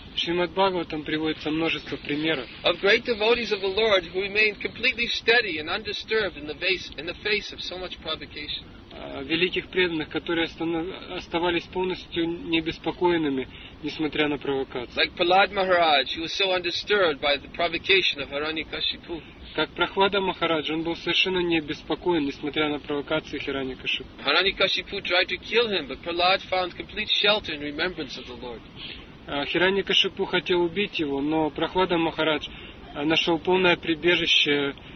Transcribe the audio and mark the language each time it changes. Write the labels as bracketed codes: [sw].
[ru] В Шримад Бхагаватам приводится множество примеров. [en] Of great devotees of the Lord who remain completely steady and undisturbed in the face of so much provocation. [ru] Великих преданных, которые оставались полностью небеспокоенными, несмотря на провокации. [en] Like Prahlad Maharaj, he was so undisturbed by the provocation of Hiranyakashipu. [ru] Как Прохлада Махарадж, он был совершенно небеспокоен, несмотря на провокации Хираньякашипу. [en] Hiranyakashipu tried to kill him, but Prahlad found complete shelter in remembrance of the Lord. [ru] Хираньякашипу хотел убить его, но Прохлада Махарадж нашел полное прибежище